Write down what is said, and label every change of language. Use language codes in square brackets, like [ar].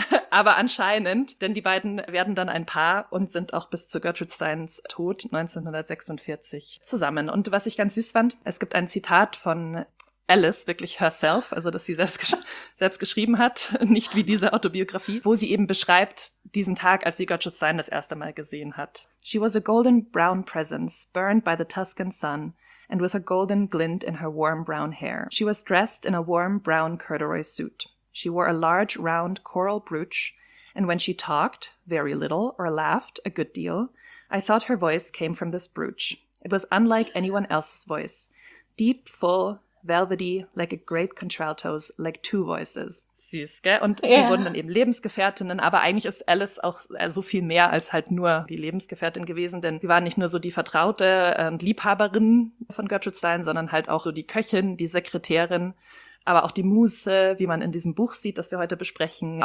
[de] Aber anscheinend, denn die beiden werden dann ein Paar und sind auch bis zu Gertrude Steins Tod 1946 zusammen. Und was ich ganz süß fand, es gibt ein Zitat von Alice, wirklich [en] herself, [de] also dass sie selbst geschrieben hat, nicht wie diese Autobiografie, wo sie eben beschreibt diesen Tag, als sie Gertrude Stein das erste Mal gesehen hat. [en] She was a golden brown presence, burned by the Tuscan sun, and with a golden glint in her warm brown hair. She was dressed in a warm brown corduroy suit. She wore a large, round, coral brooch, and when she talked, very little, or laughed, a good deal, I thought her voice came from this brooch. It was unlike anyone else's voice. Deep, full, velvety, like a great contralto's, like two voices. [de] Süß, gell? Und die wurden dann eben Lebensgefährtinnen, aber eigentlich ist Alice auch so viel mehr als halt nur die Lebensgefährtin gewesen, denn sie waren nicht nur so die Vertraute und Liebhaberin von Gertrude Stein, sondern halt auch so die Köchin, die Sekretärin, aber auch die Muse, wie man in diesem Buch sieht, das wir heute besprechen.